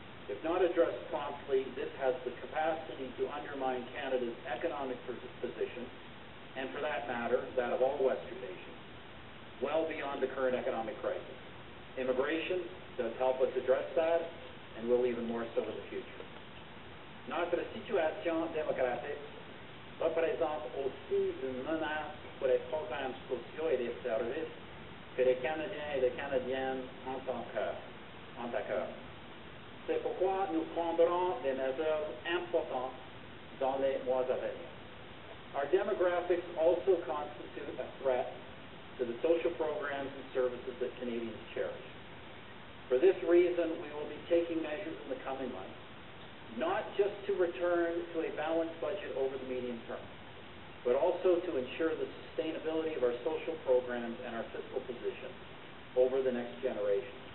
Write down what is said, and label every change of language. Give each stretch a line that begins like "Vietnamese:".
English: If not addressed promptly, this has the capacity to undermine Canada's economic position, and for that matter, that of all Western nations, well beyond the current economic crisis. Immigration does help us address that, and will even more so in the future.
French: Notre situation démographique représente aussi une menace pour les programmes sociaux et les services que les Canadiens et les Canadiennes ont en cœur. C'est pourquoi nous prendrons des mesures importantes dans les mois à venir.
English: Our demographics also constitute a threat to the social programs and services that Canadians cherish. For this reason, we will be taking measures in the coming months, not just to return to a balanced budget over the medium term, but also to ensure the sustainability of our social programs and our fiscal position over the next generation.